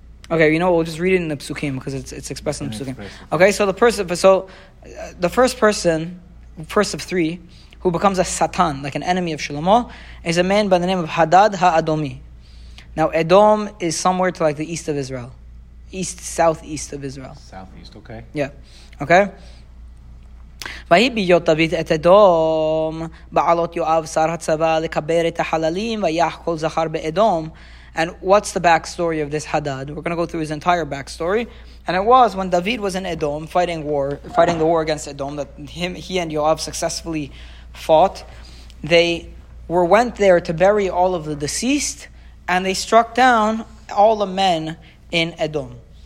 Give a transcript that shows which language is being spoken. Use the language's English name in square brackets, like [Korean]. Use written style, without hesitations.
[English] Okay, you know what? We'll just read it in the Psukim because it's expressed in the Psukim. Okay, so the first person, first of three, who becomes a Satan, like an enemy of Shlomo, is a man by the name of Hadad Ha'Adomi. Now, Edom is somewhere to like the east of Israel. Southeast of Israel. Southeast, okay. Yeah, okay. [Hebrew] ויהי ביות דוד את אדום, בעלות יואב שר הצבא לקבר את החללים, ויח כל זכר באדום. [English] And what's the backstory of this Hadad? We're going to go through his entire backstory. And it was when David was in Edom fighting the war against Edom, that he and Yoav successfully fought. They went there to bury all of the deceased, and they struck down all the men in Edom.